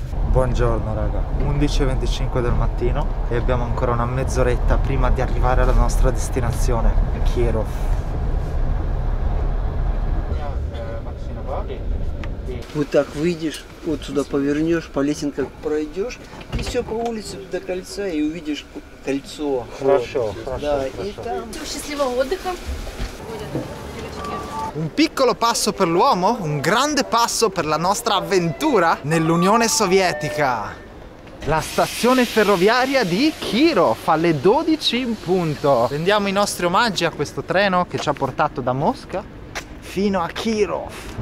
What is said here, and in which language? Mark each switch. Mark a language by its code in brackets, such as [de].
[it] Buongiorno raga, 11:25 del mattino e abbiamo ancora una mezz'oretta prima di arrivare alla nostra destinazione, Kirov. [ru] Вот так выйдешь, вот сюда повернешь, по лесенкам пройдешь, и все по улице до кольца, и увидишь кольцо. Хорошо, да, и там. Счастливого отдыха. [it] Un piccolo passo per l'uomo, un grande passo per la nostra avventura nell'Unione Sovietica. La stazione ferroviaria di Kirov alle 12 in punto. Rendiamo i nostri omaggi a questo treno che ci ha portato da Mosca fino a Kirov.